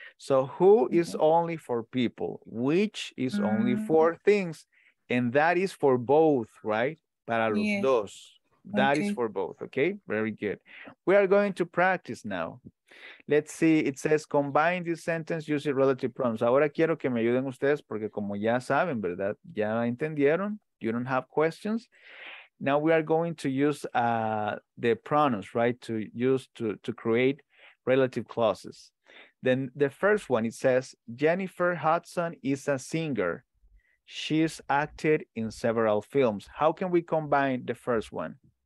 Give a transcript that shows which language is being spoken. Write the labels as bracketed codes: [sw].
[en] So who is only for people? Which is only for things? And that is for both, right? [es] Para los dos. [en] That is for both, okay? Very good. We are going to practice now. Let's see, it says combine this sentence using relative pronouns. [es] Ahora quiero que me ayuden ustedes porque como ya saben, ¿verdad? Ya entendieron, [en] you don't have questions. Now we are going to use the pronouns, right? To use to create relative clauses. Then the first one, it says, Jennifer Hudson is a singer. She's acted in several films. How can we combine the first one?